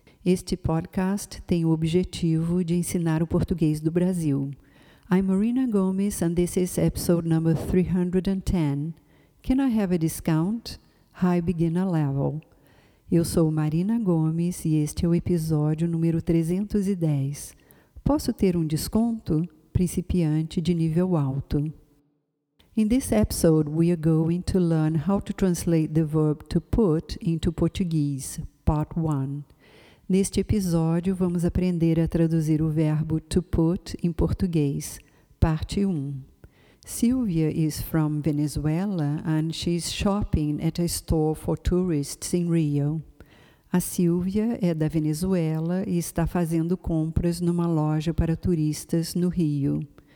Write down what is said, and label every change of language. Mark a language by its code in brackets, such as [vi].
[pt] Este podcast tem o objetivo de ensinar o português do Brasil. [en] I'm Marina Gomes and this is episode number 310. Can I have a discount? High beginner level. [pt] Eu sou Marina Gomes e este é o episódio número 310. Posso ter um desconto? Principiante de nível alto. [en] In this episode, we are going to learn how to translate the verb to put into Portuguese, part 1. [pt] Neste episódio, vamos aprender a traduzir o verbo to put em português, parte 1. [en] Silvia is from Venezuela and she's shopping at a store for tourists in Rio. [pt] A Silvia é da Venezuela e está fazendo compras numa loja para turistas no Rio.